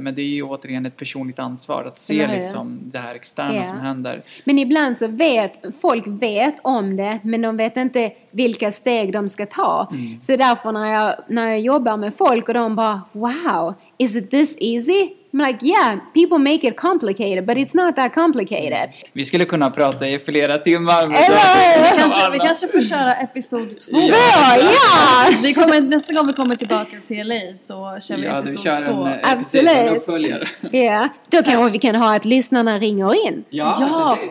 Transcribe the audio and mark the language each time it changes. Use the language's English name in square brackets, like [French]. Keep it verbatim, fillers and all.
[Swedish] Men det är ju återigen ett personligt ansvar att se mm. liksom det här externa yeah. som händer. Men ibland så vet, folk vet om det, men de vet inte vilka steg de ska ta. Mm. Så därför när jag, när jag jobbar med folk och de bara, [English] wow, is it this easy? I'm like, yeah, people make it complicated, but it's not that complicated. [Swedish] Vi skulle kunna prata i flera timmar. Med äh, vi, kanske, vi kanske får köra episod två. Ja, ja. Vi kommer, nästa gång vi kommer tillbaka till L A så kör vi ja, episod kör två. En, absolut. Ja, yeah. Då kan vi kan ha att lyssnarna ringer in. Ja, ja.